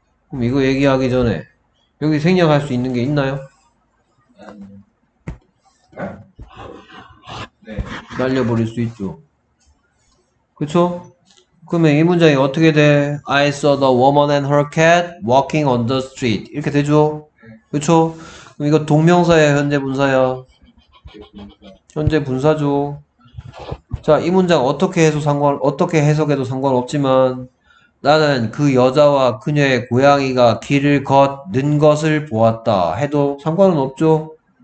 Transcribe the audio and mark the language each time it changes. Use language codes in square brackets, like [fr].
[ko] 그럼 이거 얘기하기 전에 여기 생략할 수 있는 게 있나요? 날려버릴 수 있죠. 그쵸? 그러면 이 문장이 어떻게 돼? [en] I saw the woman and her cat walking on the street. [ko] 이렇게 되죠? 그쵸? 그럼 이거 동명사예요, 현재 분사예요. 현재 분사죠. 자, 이 문장 어떻게 해석해도 상관없지만, 나는 그 여자와 그녀의 고양이가 길을 걷는 것을 보았다 해도 상관은 없죠.